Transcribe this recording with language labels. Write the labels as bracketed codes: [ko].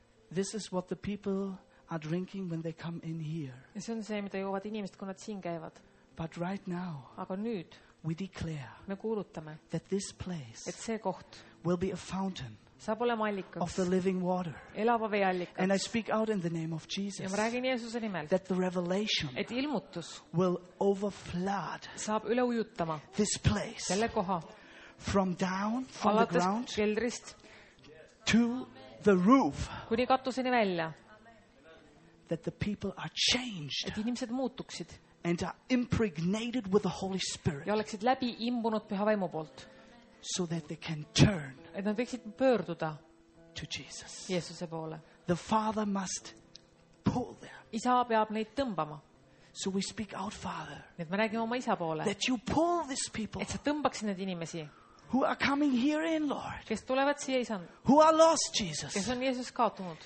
[en] This is what the people are drinking when they come in here. [et] Ja see on see, mida joovad inimesed, kui nad siin käivad. [en] But right now [et] aga nüüd [en] we declare [et] me kuulutame [en] that this place [et] et see koht [en] will be a fountain [et] saab olema allikaks. [en] Of the living water. [et] Elava vee allikaks. [en] And I speak out in the name of Jesus. [et] Ja ma räägin Jeesuse nimel. [en] That the revelation. [et] Et ilmutus. [en] Will overflood. [et] Saab üle ujutama. [en] This place. [et] Selle koha. [en] From down, from the ground. [et] Keldrist. [en] To the roof. [et] Kuni katuseni välja. [en] That the people are changed. [et] Et inimesed muutuksid. [en] And are impregnated with the Holy Spirit. [et] Ja oleksid läbi imbunud püha vaimu poolt. [en] So that they can turn. [et] Et nad võiksid pöörduda. [en] To Jesus. [et] Jeesuse poole. [en] The Father must pull them. [et] Isa peab neid tõmbama. [en] So we speak out, Father. [et] Et me räägime oma isa poole. [en] That you pull these people. [et] Et sa tõmbaksid need inimesi. [en] Who are coming here in, Lord? [et] Kes tulevad siia, Isand? [en] Who are lost, Jesus? [et] Kes on Jeesus kaotunud?